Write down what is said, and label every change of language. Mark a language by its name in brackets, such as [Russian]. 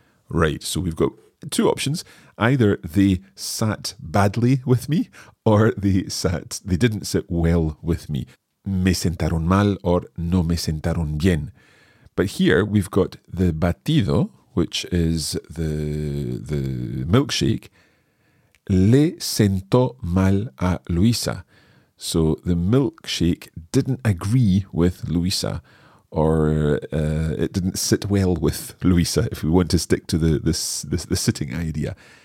[English] Right, so we've got two options. Either they sat badly with me, or they didn't sit well with me. [Spanish] Me sentaron mal, or no me sentaron bien. [English] But here we've got the batido, which is the milkshake. [Spanish] Le sentó mal a Luisa. [English] So the milkshake didn't agree with Luisa, or it didn't sit well with Luisa, if we want to stick to the sitting idea.